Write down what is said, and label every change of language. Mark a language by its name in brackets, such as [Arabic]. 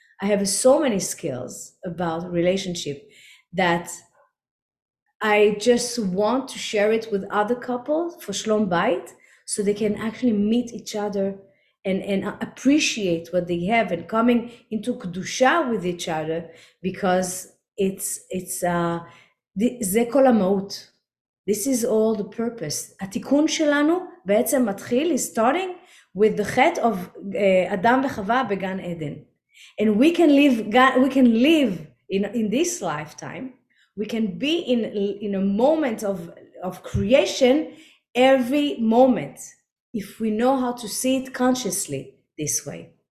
[English] I have so many skills about relationship that I just want to share it with other couples for Shalom Bayit, so they can actually meet each other and appreciate what they have and coming into Kedusha with each other, because [Hebrew] זה כל המהות. [English] This is all the purpose. [Hebrew] התיקון שלנו בעצם מתחיל, [English] is starting with the chet of Adam [Hebrew] וחווה בגן עדן. [English] And we can live in this lifetime, we can be in a moment of creation every moment if we know how to see it consciously this way.